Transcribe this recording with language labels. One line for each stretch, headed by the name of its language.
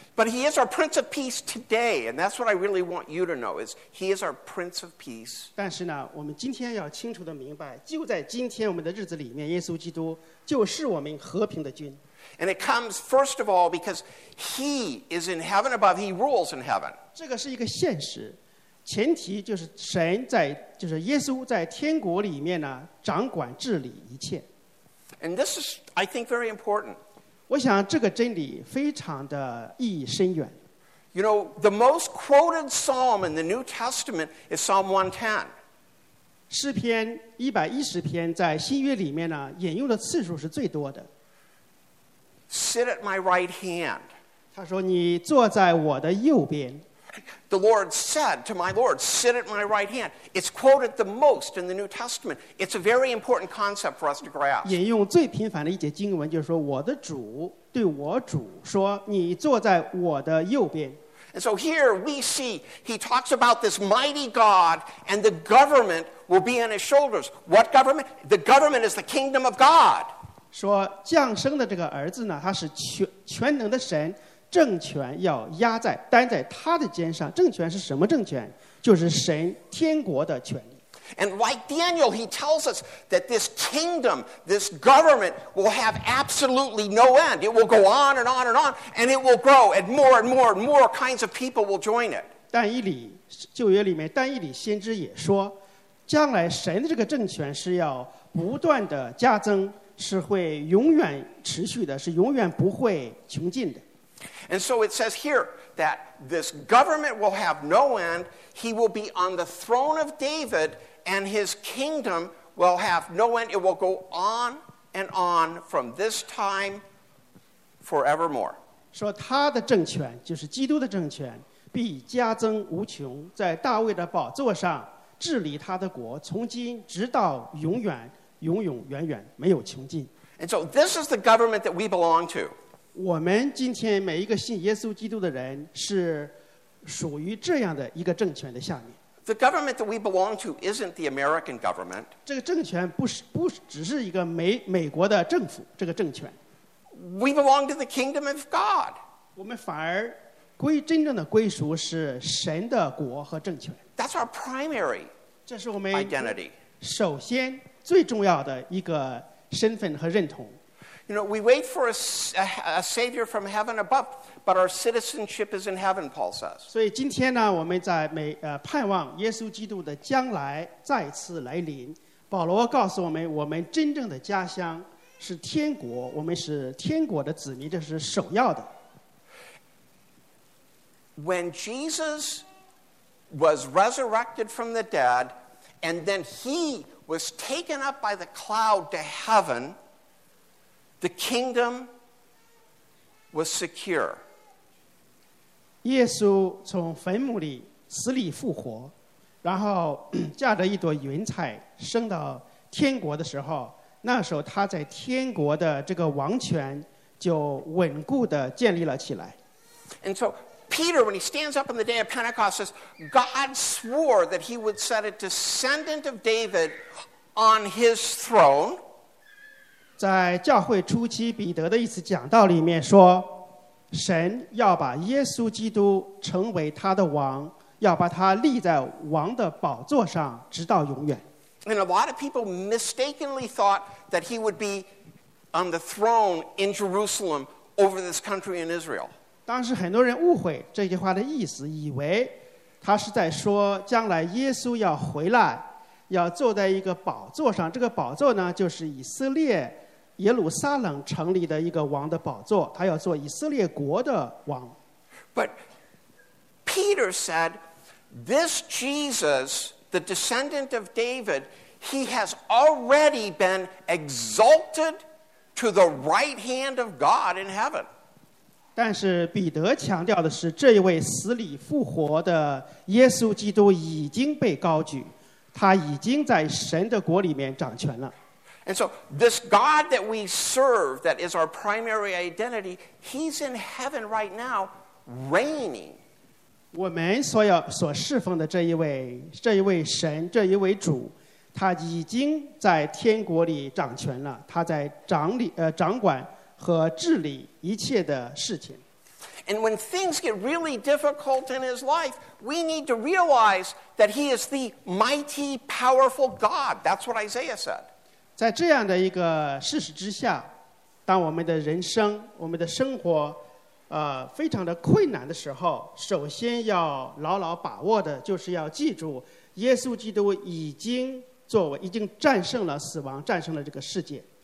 English: But he is our Prince of Peace today, and that's what I really want you to know, is he is our Prince of Peace.
Chinese: 但是呢，我们今天要清楚地明白，就在今天我们的日子里面，耶稣基督就是我们和平的君。
English: And it comes, first of all, because he is in heaven above, he rules in heaven.
Chinese: 这个是一个现实，前提就是神在，就是耶稣在天国里面呢，掌管治理一切。
English: And this is, I think, very important.
Chinese: 我想这个真理非常的意义深远。
English: You know, the most quoted psalm in the New Testament is Psalm 110.
Chinese: 诗篇110篇在新约里面呢，引用的次数是最多的。
English: Sit at my right hand.
Chinese: 他说你坐在我的右边。
English: The Lord said to my Lord, sit at my right hand. It's quoted the most in the New Testament. It's a very important concept for us to grasp.
Chinese: 引用最频繁的一节经文就是说我的主对我主说你坐在我的右边。
English: And so here we see he talks about this mighty God and the government will be on his shoulders. What government? The government is the kingdom of God.
Chinese: 说降生的这个儿子呢他是 全能的神政权要压在担在他的肩上政权是什么政权就是神天国的权利
English: And like Daniel he tells us that this kingdom this government will have absolutely no end it will go on and on and on and it will grow and more and more and more kinds of people will join it
Chinese: 但以理旧约里面但以理先知也说将来神的这个政权是要不断的加增是会永远持续的是永远不会穷尽的
English: And so it says here that this government will have no end, he will be on the throne of David, and his kingdom will have no end, it will go on and on from this time forevermore.
Chinese: 说他的政权就是基督的政权必加增无穷在大卫的宝座上治理他的国从今直到永远永永远远没有穷尽
English: And so this is the government that we belong to.
Chinese: 我们今天每一个信耶稣基督的人是属于这样的一个政权的下面。
English: The government that we belong to isn't the American government.
Chinese: 这个政权不只是一个美国的政府这个政权。
English: We belong to the kingdom of God.
Chinese: 我们反而归真正的归属是神的国和政权。
English: That's our primary identity.
Chinese: 这是我们首先最重要的一个身份和认同。
English: You know, we wait for a savior from heaven above, but our citizenship is in heaven, Paul says.
Chinese: 所以今天呢，我们在盼望耶稣基督的将来再次来临。保罗告诉我们，我们真正的家乡是天国，我们是天国的子民，这是首要的。
English: When Jesus was resurrected from the dead, and then he was taken up by the cloud to heaven, the kingdom was secure.
Chinese: 耶稣从坟墓里死里复活，然后驾着一朵云彩升到天国的时候，那时候他在天国的这个王权就稳固地建立了起来。
English: And so Peter, when he stands up on the day of Pentecost, says, God swore that he would set a descendant of David on his throne.
Chinese: 在教会初期彼得的一次讲道里面说神要把耶稣基督成为他的王要把他立在王的宝座上直到永远
English: And a lot of people mistakenly thought that he would be on the throne in Jerusalem over this country in Israel.
Chinese: 当时很多人误会这句话的意思以为他是在说将来耶稣要回来要坐在一个宝座上这个宝座呢就是以色列耶路撒冷成立的一个王的宝座他要做以色列国的王
English: But Peter said this Jesus the descendant of David he has already been exalted to the right hand of God in heaven
Chinese: 但是彼得强调的是这一位死里复活的耶稣基督已经被高举他已经在神的国里面掌权了。
English: And so, this God that we serve, that is our primary identity, he's in heaven right now, reigning.
Chinese: 我们所侍奉的这一位神，这一位主，他已经在天国里掌权了，他在掌管和治理一切的事情。
English: And when things get really difficult in his life, we need to realize that he is the mighty, powerful God. That's what Isaiah said.
Chinese: 在这样的一个事实之下，当我们的人生我们的生活非常的困难的时候，首先要牢牢把握的就是要记住耶稣基督已经作为已经战胜了死亡，战胜了这个世界。